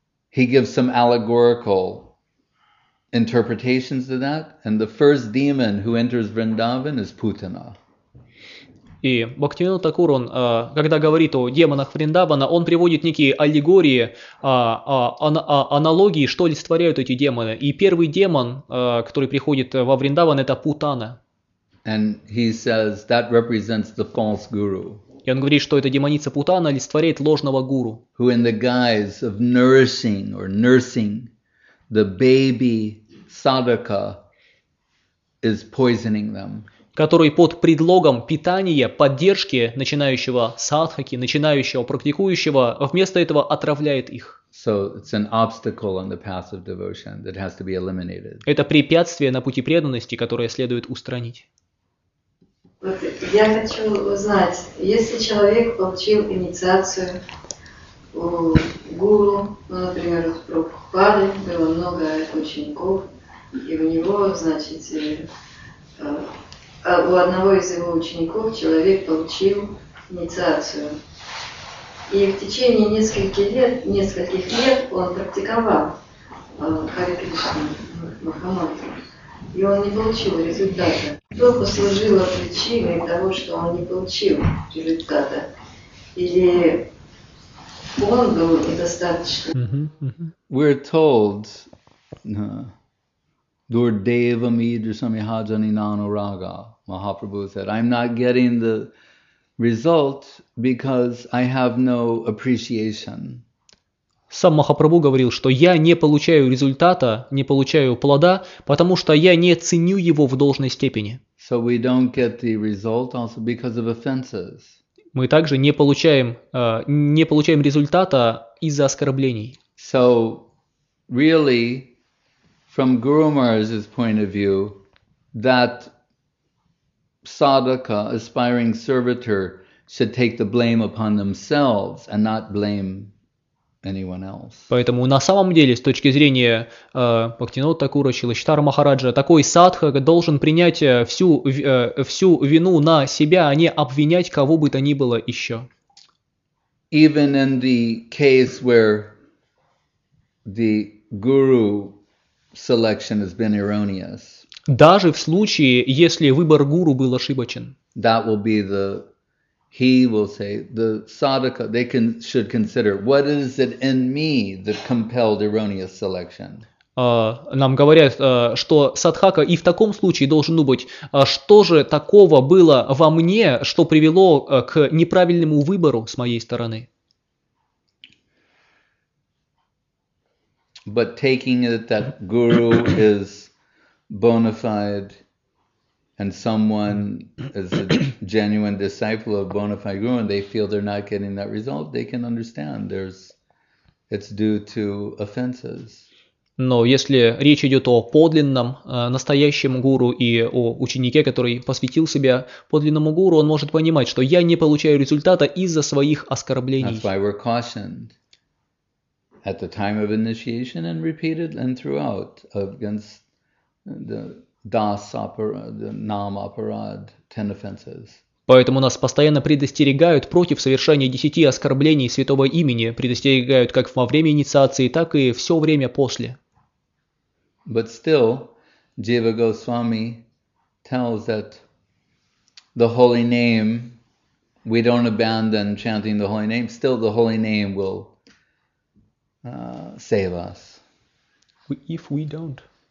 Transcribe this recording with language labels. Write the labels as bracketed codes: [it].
[en] He gives some allegorical interpretations of that, and the first demon who enters Vrindavan is Putana. [ru] И Бхактивинода Такур, он, когда говорит о демонах Вриндавана, он приводит некие аллегории, аналогии, что олицетворяют эти демоны. И первый демон, который приходит во Вриндаван, это Путана. [en] And he says that represents the false guru. [ru] И он говорит, что эта демоница Путана олицетворяет ложного гуру. [en] Who in the guise of nourishing or nursing the baby sadhaka is poisoning them. [ru] Который под предлогом питания, поддержки начинающего садхаки, начинающего практикующего, вместо этого отравляет их. [en] So it's an obstacle on the path of devotion that has to be eliminated. [ru] Это препятствие на пути преданности, которое следует устранить. Я хочу узнать, если человек получил инициацию у гуру, ну, например, у Прабхупады, было много учеников, и у него, значит, у одного из его учеников человек получил инициацию. И в течение нескольких лет он практиковал Харе Кришну Махамантру. И он не получил результата. Что послужило причиной того, что он не получил результата? Или он был недостаточно? [en] We're told, [sa] Durdeva Midra Samihajani Nanuraga. [en] Mahaprabhu said, I'm not getting the result because I have no appreciation. [ru] Сам Махапрабху говорил, что я не получаю результата, не получаю плода, потому что я не ценю его в должной степени. [en] So we don't get the result also because of offenses. [ru] Мы также не получаем результата из-за оскорблений. [en] So, really, from Guru Maharaj's point of view, that sadhaka, aspiring servitor, should take the blame upon themselves and not blame anyone else. [ru] Поэтому на самом деле, с точки зрения Бхактивинода Такура, Шрилы Чайтаньи Махараджа, такой садхака должен принять всю вину на себя, а не обвинять кого бы то ни было еще. [en] Even in the case where the guru selection has been erroneous. [ru] Даже в случае, если выбор гуру был ошибочен. [en] That will be the, he will say, the sadhaka, they can, should consider, what is it in me that compelled erroneous selection? [ru] Нам говорят, что садхака и в таком случае должен быть, что же такого было во мне, что привело к неправильному выбору с моей стороны? [en] But taking it that guru is bona fide and someone is a genuine disciple of bona fide guru and they feel they're not getting that result, they can understand there's it's due to offenses. [ru] Но если речь идет о подлинном, настоящем гуру и о ученике, который посвятил себя подлинному гуру, он может понимать, что я не получаю результата из-за своих оскорблений. [en] That's why we're cautioned at the time of initiation and repeated and throughout against the das aparad, the nam aparad, 10 offenses. [ru] Поэтому нас постоянно предостерегают против совершения 10 оскорблений святого имени, предостерегают как во время инициации, так и все время после. [en] But still, Jiva Goswami tells that the holy name, we don't abandon chanting the holy name, still the holy name will save us. If we don't.